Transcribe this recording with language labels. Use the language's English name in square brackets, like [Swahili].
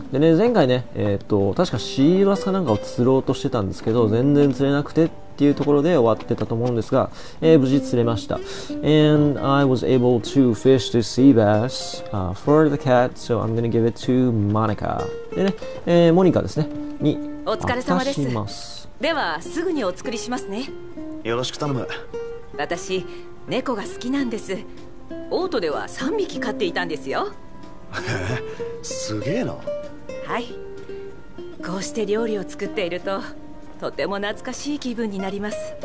[Japanese] でね、前回ね、確かシーラスかなんかを釣ろうとしてたんですけど、全然釣れなくてっていうところで終わってたと思うんですが、無事釣れました。 [English] And I was able to fish the sea bass for the cat, so I'm gonna give it to Monica. [Japanese] でね、モニカですね。に、お疲れ様です。では、すぐにお作りしますね。よろしく頼む。私、猫が好きなんです。オートでは3匹飼っていたんですよ。すげえな。はい。こうして料理を作っていると、とても懐かしい気分になります。